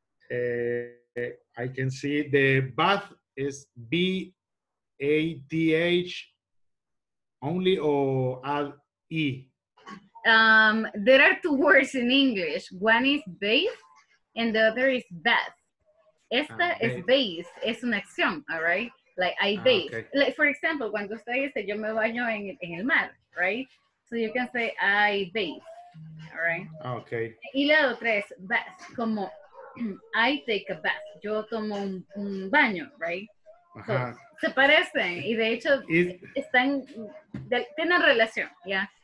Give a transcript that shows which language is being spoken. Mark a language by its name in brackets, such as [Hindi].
[English] I can see the bath is B-A-T-H only or add E. There are 2 words in English. One is bath, and the other is bath. [Spanish] Esta es [English] bath. [Spanish] Es una acción. [English] All right. Like I bathe. Okay. Like for example, [Spanish] cuando usted dice yo me baño en el mar, right? [English] So you can say I bathe, all right? Okay. [Spanish] Y la otra es bath, como [English] I take a bath. [Spanish] Yo tomo un baño, right? Ajá. So, se parecen y de hecho están, tienen relación, yeah?